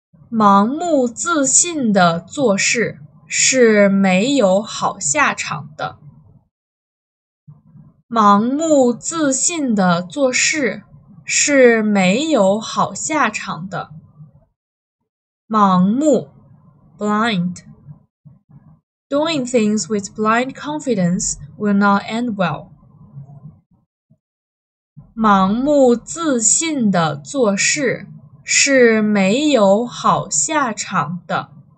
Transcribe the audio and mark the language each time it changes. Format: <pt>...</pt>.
<zh>盲目自信的做事是没有好下场的。盲目自信的做事是没有好下场的。盲目 blind.</zh> <en>Doing things with blind confidence will not end well.</en> <zh>盲目自信的做事是没有好下场的。</zh>